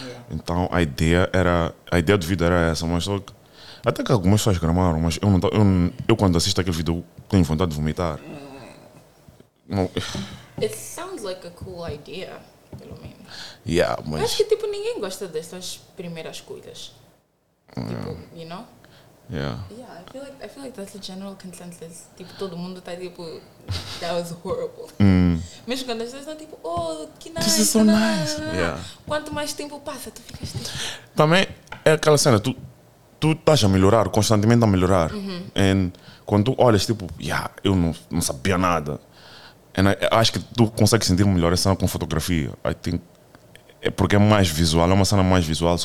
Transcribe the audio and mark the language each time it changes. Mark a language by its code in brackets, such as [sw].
[pt] Então, a ideia era, a ideia do vídeo era essa, mas só que, até que algumas pessoas gramaram, mas eu, não, eu quando assisto aquele vídeo, tenho vontade de vomitar. [en] It sounds like a cool idea, [pt] pelo menos. [en] Yeah, [pt] mas. Acho que tipo, ninguém gosta dessas primeiras coisas. [en] You know? Yeah, I feel like that's a general consensus. [pt] Tipo, todo mundo tá tipo, [en] that was horrible. [pt] Mesmo quando as pessoas estão tipo, oh, que nice. [en] This is so nice. Yeah. [pt] Quanto mais tempo passa, tu ficas tipo... Também é aquela cena, tu estás a melhorar, constantemente a melhorar. And quando tu olhas, tipo, yeah, eu não sabia nada. [en] And I [pt] acho que tu consegues sentir melhor essa cena com fotografia. [en] I think, [pt] é porque é mais visual, é uma cena mais visual.